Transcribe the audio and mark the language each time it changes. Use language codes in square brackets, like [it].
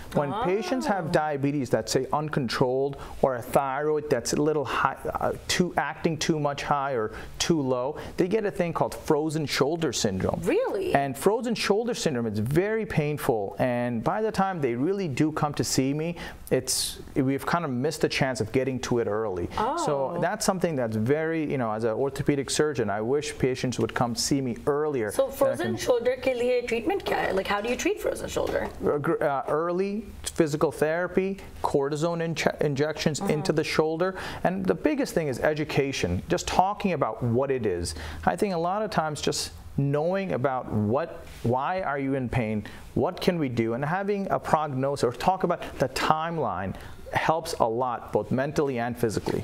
[en] When patients have diabetes that's say uncontrolled or a thyroid that's a little high, acting too much high or too low, they get a thing called frozen shoulder syndrome. Really? And frozen shoulder syndrome is very painful. And by the time they really do come to see me, we've kind of missed the chance of getting to it early. Oh. So that's something that's very, you know, as an orthopedic surgeon, I wish patients would come see me earlier. [hi] So frozen shoulder के लिए treatment क्या है? [en] Like how do you treat frozen shoulder? Early physical therapy, cortisone injections uh-huh. into the shoulder. And the biggest thing is education, just talking about what it is. I think a lot of times just knowing about why are you in pain, what can we do, and having a prognosis or talk about the timeline helps a lot, both mentally and physically.